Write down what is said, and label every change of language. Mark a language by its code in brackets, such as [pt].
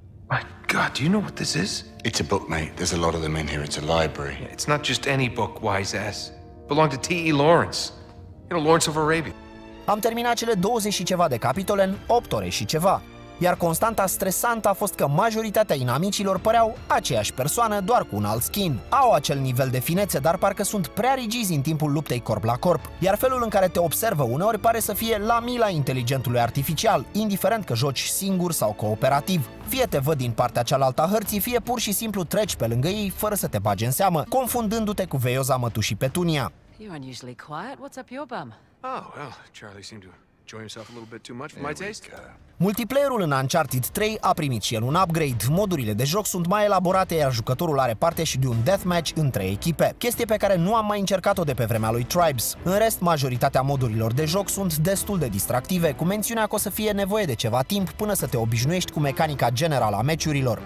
[en] My God, do you know what this is? It's a book, mate. There's a lot of them in here. It's a library. Yeah, it's not just any book, wise ass. Belonged to T.E. Lawrence. You know, Lawrence of Arabia. [ro] Am terminat cele 20 și ceva de capitole în 8 ore și ceva. Iar constanta stresantă a fost că majoritatea inamicilor păreau aceeași persoană, doar cu un alt skin. Au acel nivel de finețe, dar parcă sunt prea rigizi în timpul luptei corp la corp. Iar felul în care te observă uneori pare să fie la mila inteligentului artificial, indiferent că joci singur sau cooperativ. Fie te văd din partea cealaltă a hărții, fie pur și simplu treci pe lângă ei fără să te bagi în seamă, confundându-te cu veioza mătușii Petunia. [en] You're unusually quiet. What's up your bum? Oh, well, Charlie seemed to enjoy himself a little bit too much for my taste. [ro] Multiplayerul în Uncharted 3 a primit și el un upgrade, modurile de joc sunt mai elaborate, iar jucătorul are parte și de un deathmatch între echipe, chestie pe care nu am mai încercat-o de pe vremea lui Tribes. În rest, majoritatea modurilor de joc sunt destul de distractive, cu mențiunea că o să fie nevoie de ceva timp până să te obișnuiești cu mecanica generală a meciurilor.